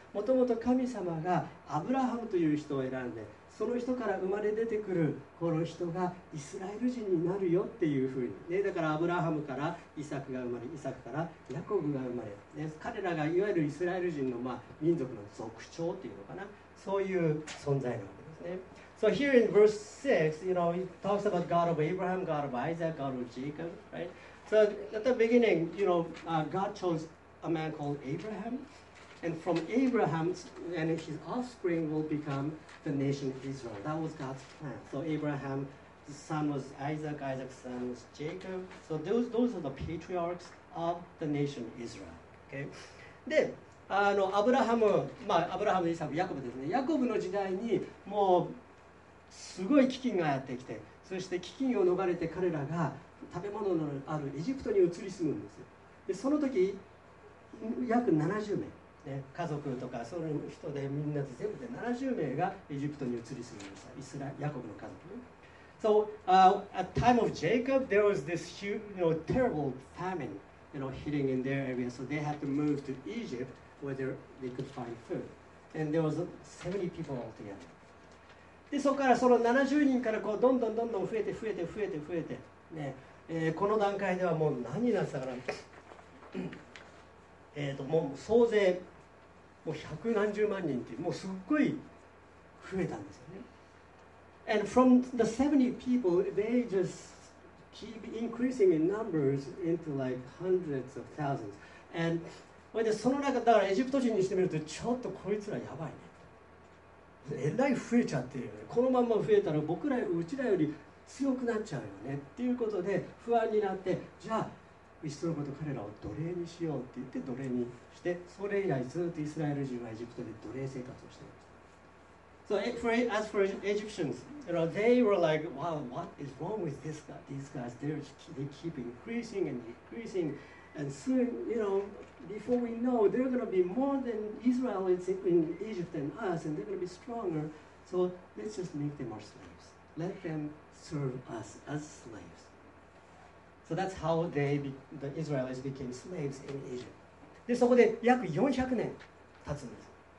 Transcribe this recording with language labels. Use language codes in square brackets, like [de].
[ja] もともと神様がアブラハムという人を選んで、その人から生まれ出てくるこの人がイスラエル人になるよっていうふうに、ね、だからアブラハムからイサクが生まれ、イサクからヤコブが生まれ、ね、彼らがいわゆるイスラエル人の、まあ、民族の族長っていうのかな、そういう存在なわけですね。 [en] So here in verse 6, you know, it talks about God of Abraham, God of Isaac, God of Jacob, right? So at the beginning, you know, God chose a man called Abraham. And from Abraham and his offspring will become the nation of Israel. That was God's plan. So Abraham's son was Isaac, Isaac's son was Jacob. So those are the patriarchs of the nation Israel. Okay. [ja] で、あのアブラハム、まあアブラハム、イサク、ヤコブですね。ヤコブの時代にもうすごい飢饉がやってきて、そして飢饉を逃れて彼らが食べ物のあるエジプトに移り住むんですよ。で、その時約70名。家族とかその人でみんなで全部で70名がエジプトに移り住みました。イスラヤコブの家族。 [en] So, at the time of Jacob, there was this huge, you know, terrible famine, you know, hitting in their area. So they had to move to Egypt where they could find food. And there was 70 people altogether. [ja] でそこからその70人からこうどんどんどんどん増えて増えて増えて増えて、ね、この段階ではもう何になってたかな、もう総勢もう百何十万人ってもうすっごい増えたんですよね。 [en] And from the 70 people they just keep increasing in numbers into like hundreds of thousands. And [ja] それでその中だからエジプト人にしてみるとちょっとこいつらやばいね、えらい増えちゃってるよね、このまま増えたら僕らうちらより強くなっちゃうよねっていうことで不安になって、じゃあいっそのこと彼らを奴隷にしようって言って奴隷にして、それ以来ずっとイスラエル人はエジプトで奴隷生活をしていました。 [en] So as for Egyptians, you know, they were like, wow, what is wrong with this guy? These guys, they keep increasing and increasing, and soon, you know, before we know, they're going to be more than Israelites in Egypt and us, and they're going to be stronger, so let's just make them our slaves. Let them serve us as slaves. So that's how the Israelites became slaves in Egypt. [ja] で、そこで約400年経つんです。